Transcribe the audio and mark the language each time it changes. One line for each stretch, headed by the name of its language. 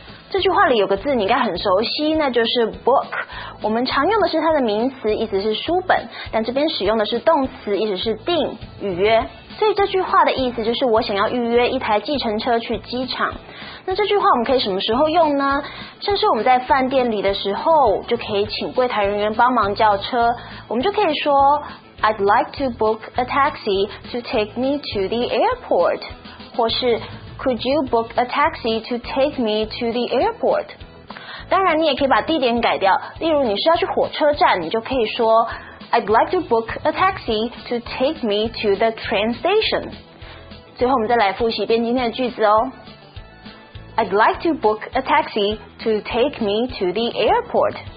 Chinese: 这句话里有个字你应该很熟悉，那就是 book。我们常用的是它的名词，意思是书本，但这边使用的是动词，意思是订、预约。所以这句话的意思就是我想要预约一台计程车去机场。那这句话我们可以什么时候用呢？像是我们在饭店里的时候，就可以请柜台人员帮忙叫车。我们就可以说
English: I'd like to book a taxi to take me to the airport，
Chinese: 或是
English: Could you book a taxi to take me to the airport？
Chinese: 当然，你也可以把地点改掉。例如，你是要去火车站，你就可以说
English: I'd like to book a taxi to take me to the train station。
Chinese: 最后，我们再来复习一遍今天的句子哦。
English: I'd like to book a taxi to take me to the airport.